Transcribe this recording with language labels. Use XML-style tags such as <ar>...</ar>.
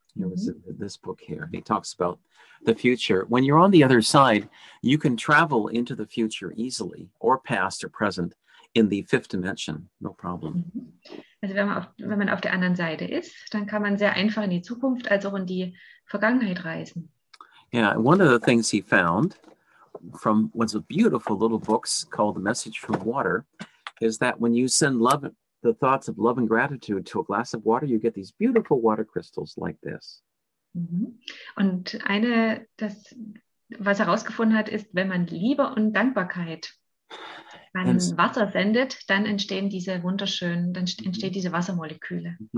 <en>Here is this book here. He talks about the future. When you're on the other side, you can travel into the future easily, or past or present, in the fifth dimension, no problem.</en> <de>Also wenn man auf der anderen Seite ist, dann kann man sehr einfach in die Zukunft, also auch in die Vergangenheit reisen.</de> <en>Yeah, one of the things he found from one of the beautiful little books called The Message from Water is that when you send love, the thoughts of love and gratitude to a glass of water, you get these beautiful water crystals like this.</en> <de>Und eine, das, was er herausgefunden hat, ist, wenn man Liebe und Dankbarkeit an Wasser sendet, dann entstehen diese wunderschönen, dann entsteht diese Wassermoleküle.</de>